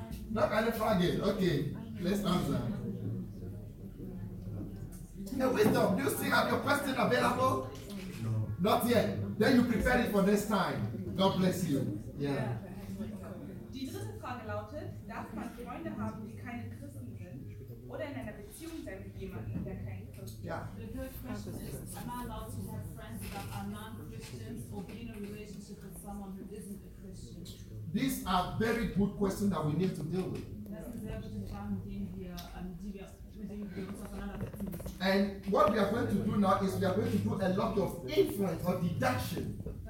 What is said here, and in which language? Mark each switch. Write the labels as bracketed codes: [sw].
[en] Not any fragile. Okay, let's answer. The wisdom, do you still have your question available? No. Not yet. Then you prepare it for next time. God bless you. Yeah. [de] Die dritte Frage lautet, darf man Freunde haben, die keine Christen sind, oder in einer Beziehung sein mit jemandem, der kein Christen ist? Ja. Yeah. [en] The third question is, am I allowed to have friends that are non-Christians or be in a relationship with someone who isn't a Christian? These are very good questions that we need to deal with. [de] Das sind sehr gute Fragen, mit denen wir uns auseinandersetzen müssen. [en] And what we are going to do now is we are going to do a lot of inference or deduction.